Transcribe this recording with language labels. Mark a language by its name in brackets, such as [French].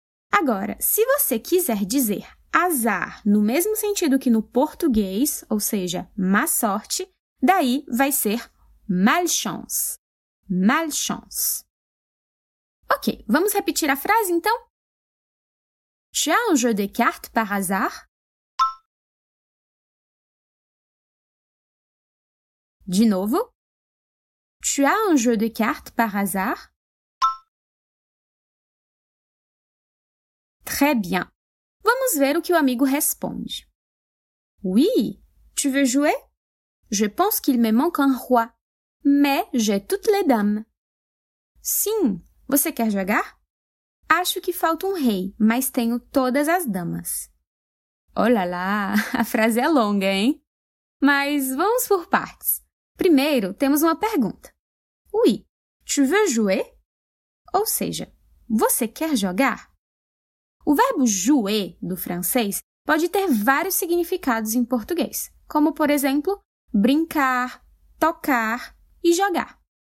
[Portuguese] Agora, se você quiser dizer azar no mesmo sentido que no português, ou seja, má sorte, daí vai ser malchance. Malchance. Ok, vamos repetir a frase, então? [French] Tu as un jeu de cartes par hasard? [Portuguese] De novo. [French] Tu as un jeu de cartes par hasard? Très bien. [Portuguese] Vamos ver o que o amigo responde. [French] Oui, tu veux jouer? Je pense qu'il me manque un roi. Mais j'ai toutes les dames. [Portuguese] Sim, você quer jogar? Acho que falta um rei, mas tenho todas as damas. Oh lá lá, a frase é longa, hein? Mas vamos por partes. Primeiro, temos uma pergunta. [French] Oui, tu veux jouer? [Portuguese] Ou seja, você quer jogar? O verbo jouer, do francês, pode ter vários significados em português, como, por exemplo, brincar, tocar e jogar.